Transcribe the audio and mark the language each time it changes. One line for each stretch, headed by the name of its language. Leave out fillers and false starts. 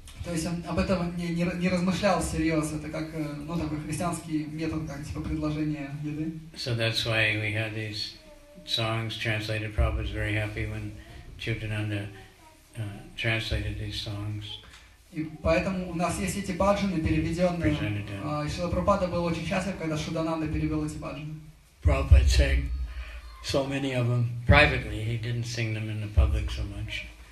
Russian: То есть он об этом не размышлял всерьез. Это как, ну, такой христианский метод, как типа предложение еды.
English: So that's why we had these songs translated. Prabhupada was very happy when Chaitananda translated these songs.
Russian: И поэтому у нас есть эти баджаны, переведенные. Шрила Прабхупада был очень счастлив, когда Шудананда перевел эти баджаны.
English: Prabhupada sang so many of them privately, he didn't sing them in the public so much.